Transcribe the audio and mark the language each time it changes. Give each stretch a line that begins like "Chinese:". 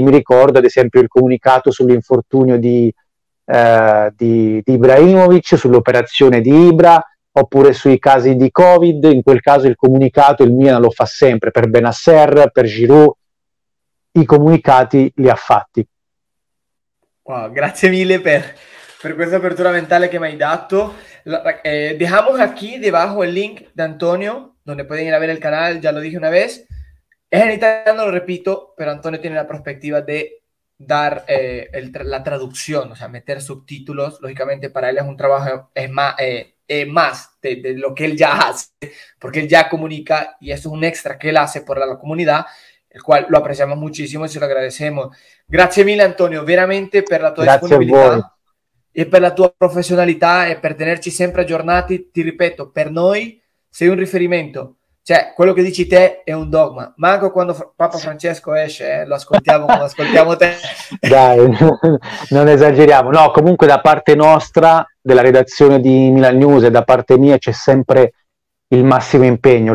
Italian: Mi ricordo ad esempio il comunicato sull'infortunio di Ibrahimovic, sull'operazione di Ibra, oppure sui casi di Covid. In quel caso il comunicato il Milan lo fa sempre, per Bennacer, per Giroud, i comunicati li ha fatti. Wow, grazie mille per questa apertura mentale che mi hai dato.
Spanish: Dejamos aquí debajo el link de Antonio, donde pueden ir a ver el canal, ya lo dije una vez. Es en italiano, lo repito, pero Antonio tiene la perspectiva de dar la traducción, o sea, meter subtítulos. Lógicamente para él es un trabajo, es más de lo que él ya hace, porque él ya comunica y eso es un extra que él hace por la comunidad, el cual lo apreciamos muchísimo y se lo agradecemos. Gracias mil, Antonio, veramente, por la tua disponibilidad.
Italian: e per la tua professionalità e per tenerci sempre aggiornati, ti ripeto, per noi sei un riferimento. Cioè, quello che dici te è un dogma. Manco quando Papa Francesco esce, lo ascoltiamo come ascoltiamo te. Dai, non esageriamo. No, comunque da parte nostra, della redazione di Milan News, e da parte mia c'è sempre il massimo impegno.